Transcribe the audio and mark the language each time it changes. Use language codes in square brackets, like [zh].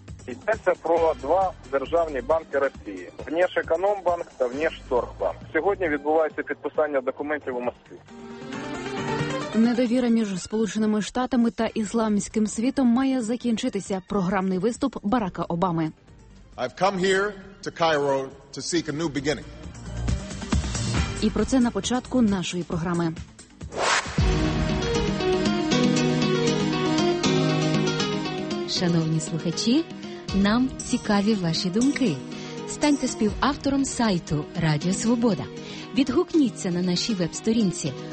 [uk] Йдеться про два державні банки Росії: Внешэкономбанк та Внешторгбанк. Сьогодні відбувається підписання документів у Москві. Недовіра між Сполученими Штатами та ісламським світом має закінчитися. Програмний виступ Барака Обами. [en] I've come here to Cairo to seek a new beginning. [uk] І про це на початку нашої програми. Шановні слухачі, нам цікаві ваші думки. Станьте співавтором сайту «Радіо Свобода». Відгукніться на нашій веб-сторінці.